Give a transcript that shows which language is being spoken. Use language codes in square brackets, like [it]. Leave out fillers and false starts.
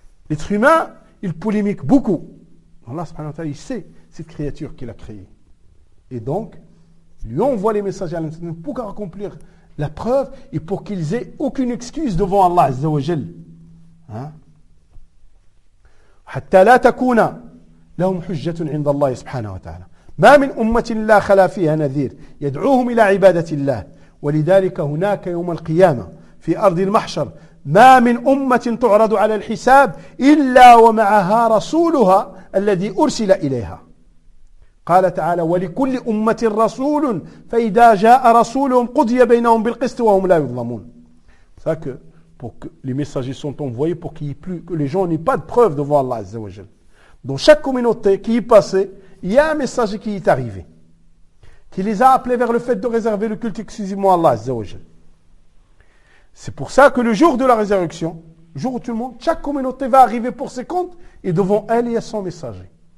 [fr] L'être humain, il polémique beaucoup. Allah subhanahu wa ta'ala, il sait cette créature qu'il a créée. Et donc, lui envoie les messagers à l'intérieur pour accomplir la preuve et pour qu'ils aient aucune excuse devant Allah Azza wa Jal. [ar] حتى لا تكون لهم حجة عند الله سبحانه وتعالى. ما من أمة لا خلا فيها نذير يدعوهم إلى عبادة الله. ولذلك هناك يوم القيامة في أرض المحشر ما من أمة تعرض على الحساب إلا ومعها رسولها الذي أرسل إليها. قال تعالى ولكل أمة رسول فإذا جاء رسولهم قضي بينهم بالقسط وهم لا يظلمون. [fr] Ça que pour que les messagers sont envoyés pour qu'il y ait plus que les gens n'aient pas de preuve devant Allah Azza wa Jal. Dans chaque communauté qui est passée, il y a un messager qui est arrivé, qui les a appelés vers le fait de réserver le culte exclusivement à Allah Azza wa Jal. C'est pour ça que le jour de la résurrection, jour où tout le monde, chaque communauté va arriver pour ses comptes et devant elle il y a son messager.